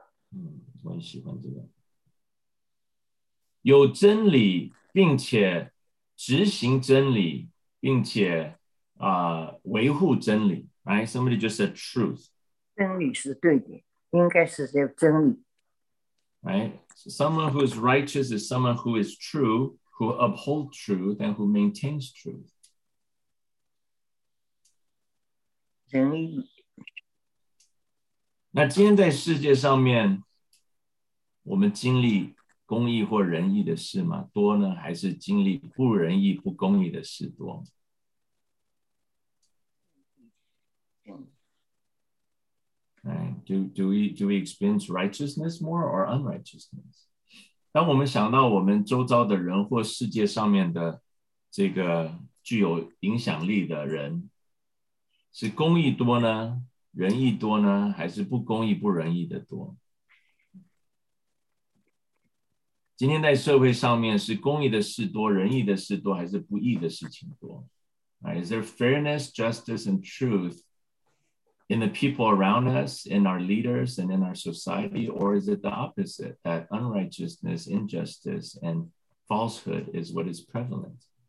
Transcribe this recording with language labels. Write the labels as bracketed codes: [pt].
[zh] 嗯，我很喜欢这个，有真理并且执行真理并且、维护真理。 [en] Right, somebody just said truth. [zh] 真理是对的，应该是叫真理。 [en] Right, so someone who is righteous is someone who is true, who uphold truth and who maintains truth. [zh] 真理。那今天在世界上面，我们经历公义或仁义的事吗？多呢，还是经历不仁义、不公义的事多？ [en] Do we experience righteousness more or unrighteousness? [zh] 当我们想到我们周遭的人或世界上面的这个具有影响力的人，是公义多呢，仁义多呢，还是不公义不仁义的多？今天在社会上面是公义的事多，仁义的事多，还是不义的事情多？ [en] Is there fairness, justice, and truth? In the people around us, in our leaders, and in our society, or is it the opposite, that unrighteousness, injustice, and falsehood is what is prevalent?